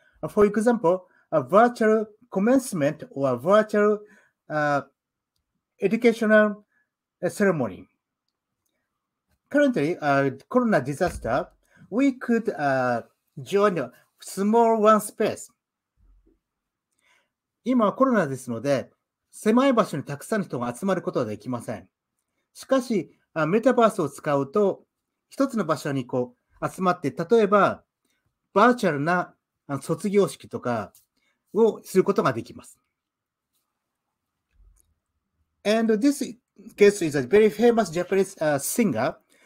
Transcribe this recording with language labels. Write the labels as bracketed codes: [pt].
[en] For example, a virtual commencement or a virtual educational ceremony. Currently, corona disaster, we could, join a small one space. [ja] 今はコロナですので、狭い場所にたくさんの人が集まることはできません。しかし、メタバースを使うと、一つの場所にこう集まって、例えば、バーチャルな卒業式とかをすることができます。 [en] And this case is a very famous Japanese singer.